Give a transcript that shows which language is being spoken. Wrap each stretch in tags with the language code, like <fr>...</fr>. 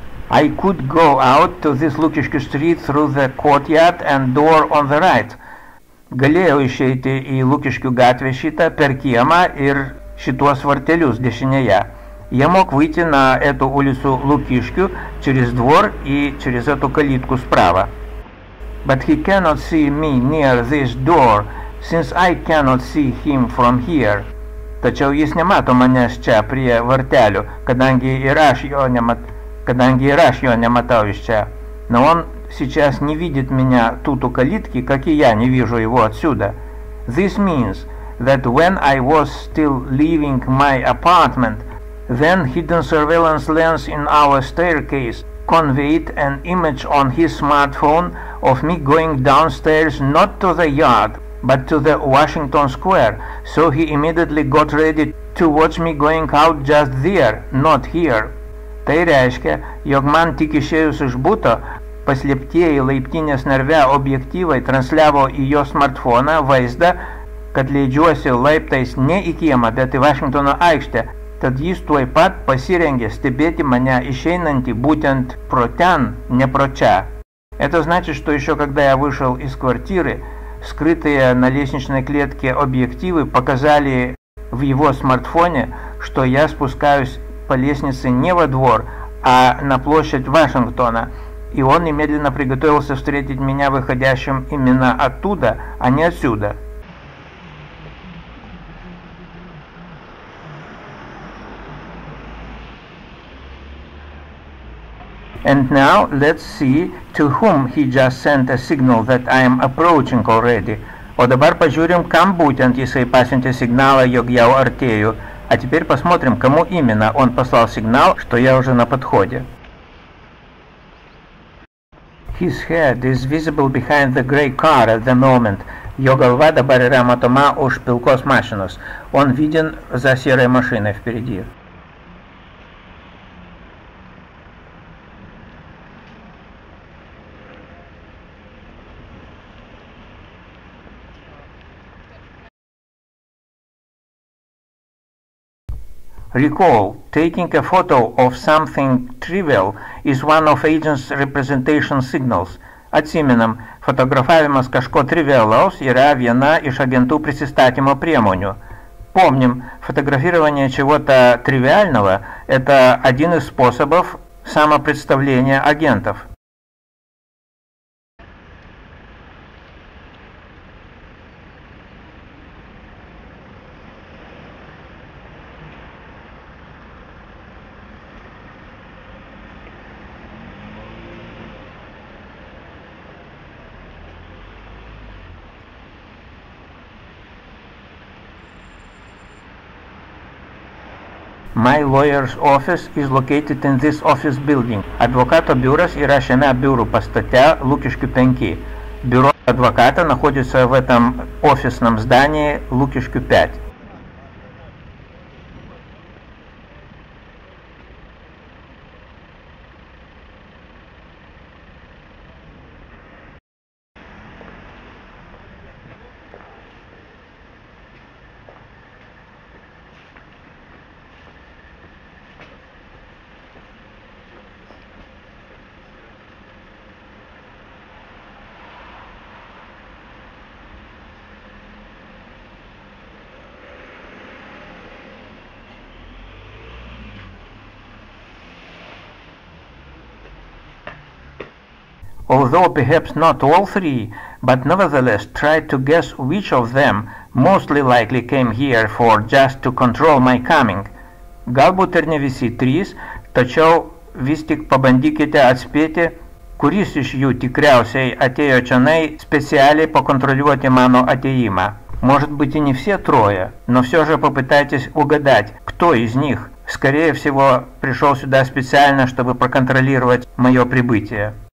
<en>I could go out to this Lukiškių street through the courtyard and door on the right.</en> <lt>Galėjau išeiti į Lukiškių gatvę šitą per kiemą ir šituos vartelius dešinėje.</lt> <ru>Я мог выйти на эту улицу Лукишкю через двор и через эту калитку справа.</ru> <en>But he cannot see me near this door, since I cannot see him from here.</en> <lt>Tačiau jis nemato manęs čia prie vartelių, kadangi ir aš jo nematau iš čia.</lt> <ru>Но он сейчас не видит меня тут у калитки, как и я не вижу его отсюда.</ru> <en>This means that when I was still leaving my apartment, then hidden surveillance lens in our staircase conveyed an image on his smartphone of me going downstairs not to the yard, but to the Washington Square, so he immediately got ready to watch me going out just there, not here.</en> <lt>Tai reiškia, jog man tik išėjus iš buto, paslėptieji laiptinės narve objektyvai transliavo į jo smartfoną vaizdą, kad leidžiuosi laiptais ne į kiemą, bet į Vašingtono aikštę, tad jis tuoj pat pasirengė stebėti mane išeinantį būtent pro ten, не про ча.</lt> <ru>Это значит, что еще когда я вышел из квартиры, скрытые на лестничной клетке объективы показали в его смартфоне, что я спускаюсь по лестнице не во двор, а на площадь Вашингтона, и он немедленно приготовился встретить меня выходящим именно оттуда, а не отсюда.</ru> <en>And now let's see to whom he just sent a signal that I am approaching already.</en> <lt>O dabar pažiūrim, kam būtent jisai pasiuntė signalą, jog jau artėju.</lt> <ru>А теперь посмотрим, кому именно он послал сигнал, что я уже на подходе.</ru> <en>His head is visible behind the grey car at the moment.</en> <lt>Jo galva dabar yra matoma už pilkos mašinos.</lt> <ru>Он виден за серой машиной впереди.</ru> <en>Recall, taking a photo of something trivial is one of agent's representation signals.</en> <lt>Atsimenam, fotografavimas kažko trivialaus yra viena iš agentų prisistatymo priemonių.</lt> <ru>Помним, фотографирование чего-то тривиального – это один из способов самопредставления агентов.</ru> <en>My lawyer's office is located in this office building.</en> <lt>Advokato biuras yra šiame biurų pastate Lukiškių 5. Biuro advokata</lt> <ru>находится в этом офисном здании Lukiškių 5.</ru> <en>Although perhaps not all three, but nevertheless try to guess which of them mostly likely came here for just to control my coming.</en> <lt>Galbūt ir ne visi trys, tačiau vis tik pabandykite atspėti, kuris iš jų tikriausiai atėjo čionai specialiai pakontroliuoti mano atėjimą.</lt> <ru>Может быть и не все трое, но все же попытайтесь угадать, кто из них, скорее всего, пришел сюда специально, чтобы проконтролировать мое прибытие.</ru>